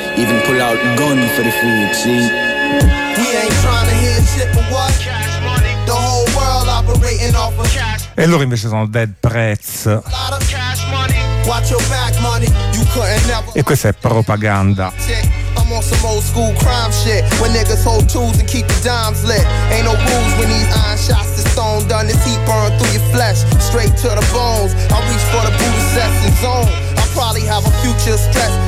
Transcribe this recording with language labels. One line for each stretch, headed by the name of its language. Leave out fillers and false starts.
English: Even pull out gun for the food, see? We ain't trying to hear shit for what? Cash money. The whole world operating off of cash.
Italian: E loro invece sono Dead Prez.
English: Watch your back, money. You couldn't never.
Italian: E questa è propaganda.
English: I'm on some old school crime shit. When niggas hold tools and keep the dimes lit. Ain't no rules when these iron shots is stone done. This heat burn through your flesh, straight to the bones. I reach for the booty session zone. I probably have a future stress.